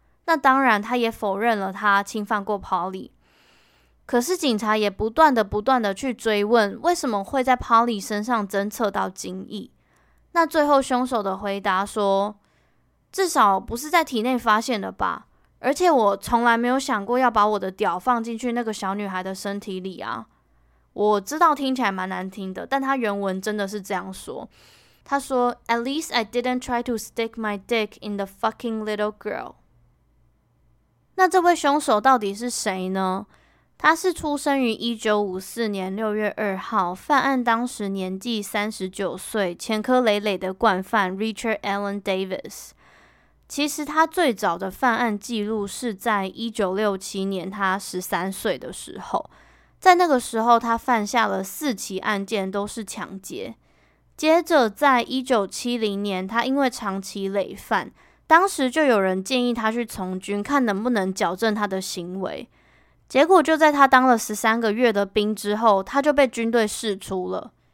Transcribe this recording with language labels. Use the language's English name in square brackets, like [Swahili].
[Chinese] 那当然他也否认了他侵犯过 Polly。可是警察也不断的去追问为什么会在 Polly 身上侦测到精液，那最后凶手的回答说，至少不是在体内发现的吧，而且我从来没有想过要把我的屌放进去那个小女孩的身体里啊。我知道听起来蛮难听的，但她原文真的是这样说，她说 [English] At least I didn't try to stick my dick in the fucking little girl。 [Chinese] 那这位凶手到底是谁呢？他是出生于1954年6月2号，犯案当时年纪39岁，前科累累的惯犯 Richard Allen Davis。其实他最早的犯案记录是在1967年他13岁的时候，在那个时候他犯下了四起案件都是抢劫，接着在1970年他因为长期累犯，当时就有人建议他去从军看能不能矫正他的行为，结果就在他当了13个月的兵之后他就被军队释出了。